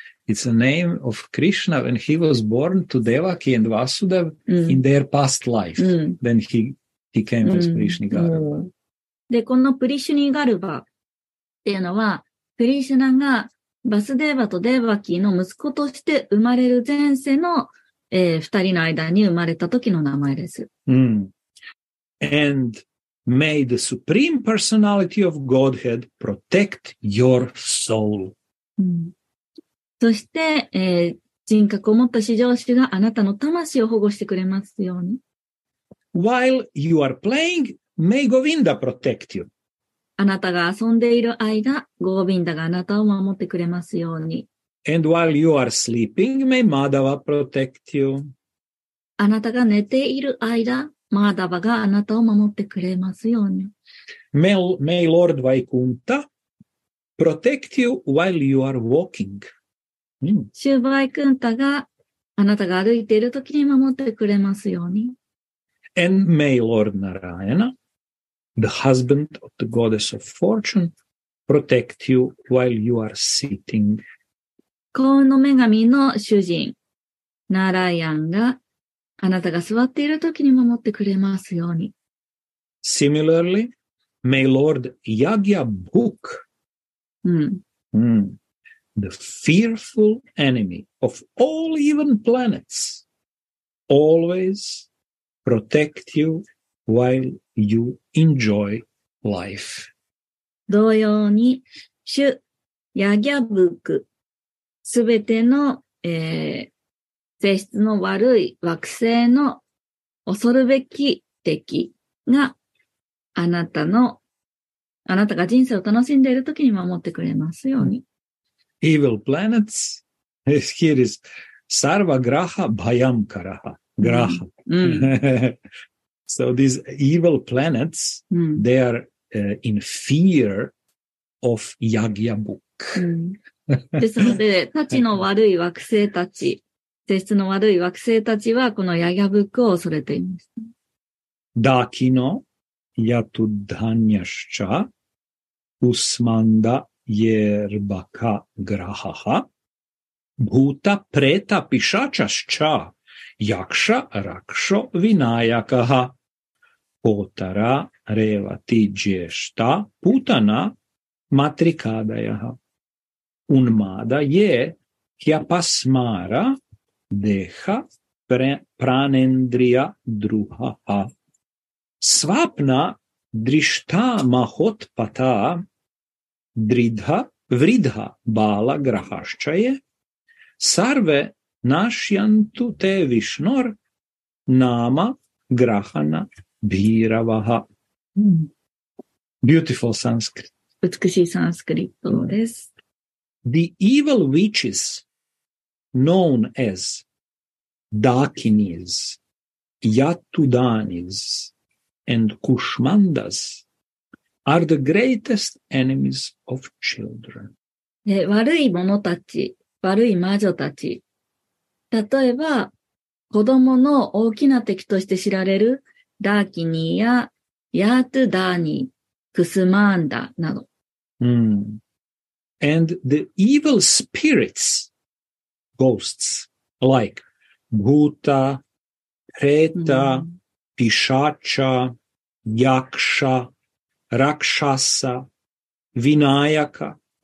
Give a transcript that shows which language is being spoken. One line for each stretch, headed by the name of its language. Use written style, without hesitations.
English: It's a name of Krishna when he was born to Devaki and Vasudev in their past life. Then he came as Prishnigarbha.
Japanese: で、このプリシュニガルバっていうのは、クリシュナがバスデーバとデーバキーの息子として生まれる前世の、二人の間に生まれた時の名前です。
English: And may the supreme personality of Godhead protect your soul.、
Japanese: うん、そして、人格を持った至上主があなたの魂を保護してくれますように。
English: While you are playing,May Govinda protect you.
Japanese: あなたが遊んでいる間、ゴビンダがあなたを守ってくれますように。
English: And while you are sleeping, may Madhava protect you.
Japanese: あなたが寝ている間、マダヴァがあなたを守ってくれますように。
English: May Lord Vaikuntha protect you while you are walking.、
Japanese: シュヴァイクンタがあなたが歩いている時に守ってくれますように。
English: And may Lord Narayana, the husband of the goddess of fortune, protect you while you are sitting.
Japanese: 幸運の女神の主人、ナライアンがあなたが座っている時に守ってくれますように。
English: Similarly, may Lord Yagya Bhuk, the fearful enemy of all even planets, always protect you while you enjoy life.
Japanese: 同様に、シュ・ヤギャブーク、すべての、性質の悪い惑星の恐るべき敵が、あなたが人生を楽しんでいるときに守ってくれますように。
English: Evil planets, here is
Sanskrit: Sarva Graha Bhayam Karaha. Graha.
English: So these evil planets, they are in fear of Yagya Bhuk.
Japanese: ですので、たちの悪い惑星たち、性質の悪い惑星たちは、このヤギャブックを恐れています。
Sanskrit: ダキノ、ヤトダニャシチャ、ウスマンダ、イェルバカ、グラハハ、ブータ、プレタ、ピシャチャシチャ、Yaksha raksho vinayakaha potara revati jeshta putana matrikadayaha unmada ye kyapasmara deha pranendriya druhaha svapna drishta mahot pata dridha vridha bala grahashchaye sarve Nashyantu te Vishnor Nama Grahana Bhiravaha.
English: Beautiful Sanskrit.
Japanese: 美しいサンスクリットです。
English: The evil witches known as Dakinis, Yatudanis, and Kushmandas are the greatest enemies of children.
Japanese: 悪い者たち、悪い魔女たち、例えば、子供の大きな敵として知られる、ダーキニーやヤートゥダーニー、クスマンダなど。
English: And the evil spirits, ghosts, like Bhuta, Preta, Pishacha, Yaksha, Rakshasa, Vinayaka.